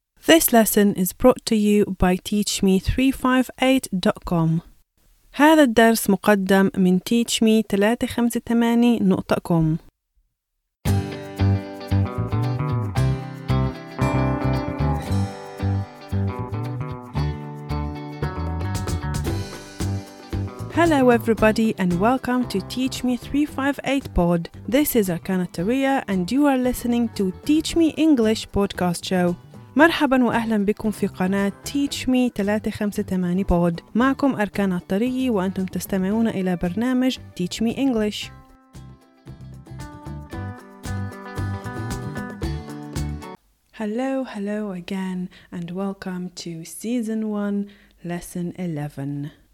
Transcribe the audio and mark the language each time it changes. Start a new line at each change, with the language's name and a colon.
English: This lesson is brought to you by TeachMe358.com.
Arabic: هذا الدرس مقدم من TeachMe358.com.
English: Hello everybody and welcome to TeachMe358 Pod. This is Arkana Taria and you are listening to Teach Me English podcast show.
Arabic: مرحبا واهلا بكم في قناة Teach Me 358 Pod. معكم أركان الطري وأنتم تستمعون إلى برنامج Teach Me English.
English: Hello again and welcome to Season 1, Lesson 11.